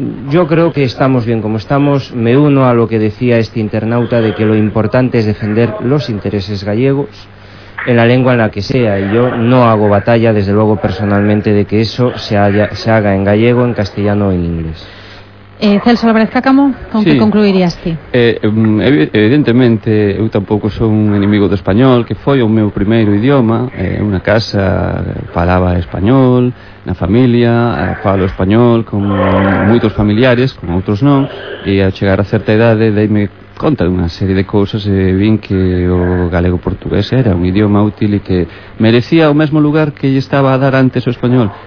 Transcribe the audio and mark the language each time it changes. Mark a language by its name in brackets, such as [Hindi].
[Spanish] Yo creo que estamos bien como estamos. Me uno a lo que decía este internauta de que lo importante es defender los intereses gallegos en la lengua en la que sea, y yo no hago batalla, desde luego personalmente, de que eso se haga en gallego, en castellano o en inglés. Celso Álvarez Cácamo, ¿con qué concluirías ti? [Galician] Evidentemente, eu tampouco son un enemigo do español, que foi o meu primeiro idioma. Unha casa falaba español, na familia falo español con moitos familiares, con outros non, e ao chegar a certa idade deime conta de unha serie de cousas e vin que o galego-portugués era un idioma útil e que merecía o mesmo lugar que lle estaba a dar antes o español.